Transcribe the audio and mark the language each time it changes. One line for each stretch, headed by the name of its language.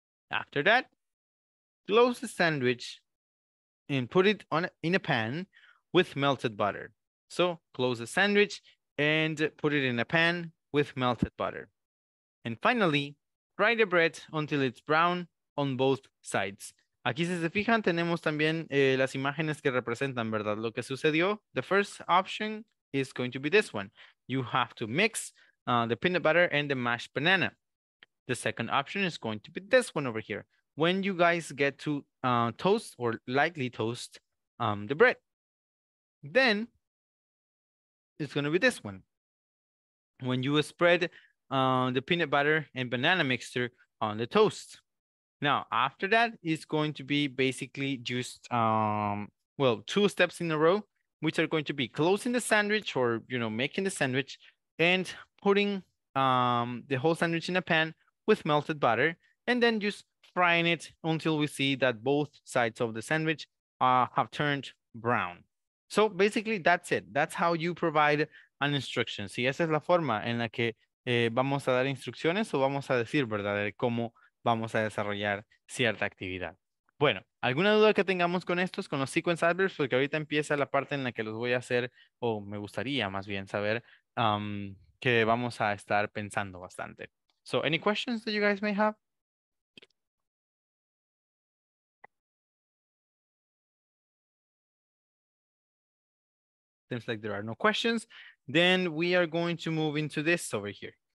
English: After that, close the sandwich and put it in a pan with melted butter. So, close the sandwich and put it in a pan with melted butter. And finally, fry the bread until it's brown on both sides.
Spanish: Aquí, si se fijan, tenemos también las imágenes que representan, ¿verdad?, lo que sucedió.
English: The first option is going to be this one. You have to mix the peanut butter and the mashed banana. The second option is going to be this one over here. When you guys get to toast or lightly toast the bread, then it's going to be this one. When you spread the peanut butter and banana mixture on the toast. Now, after that, it's going to be basically just, well, two steps in a row, which are going to be closing the sandwich or, you know, making the sandwich and putting the whole sandwich in a pan with melted butter and then just frying it until we see that both sides of the sandwich have turned brown. So basically, that's it. That's how you provide an instruction.
Spanish: Sí, esa es la forma en la que vamos a dar instrucciones o vamos a decir, ¿verdad?, de cómo vamos a desarrollar cierta actividad. Bueno, ¿alguna duda que tengamos con estos, con los sequence adverbs? Porque ahorita empieza la parte en la que los voy a hacer, o me gustaría más bien saber que vamos a estar pensando bastante.
English: So, any questions that you guys may have? Seems like there are no questions. Then we are going to move into this over here.